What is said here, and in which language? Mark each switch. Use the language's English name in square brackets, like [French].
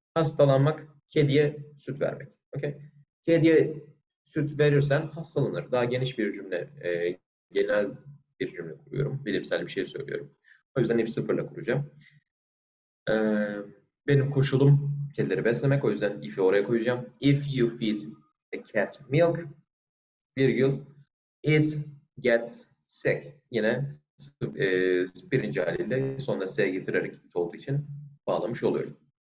[Turkish] Hastalanmak, kediye süt vermek. Okay. Kediye süt verirsen hastalanır. Daha geniş bir cümle, genel bir cümle kuruyorum. Bilimsel bir şey söylüyorum. O yüzden hep sıfırla kuracağım. Benim koşulum kedileri beslemek. O yüzden if'i oraya koyacağım. [English] If you feed a cat milk, virgül, it gets sick. [Turkish] Yine birinci haliyle sonuna s getirerek it olduğu için bağlamış oluyorum.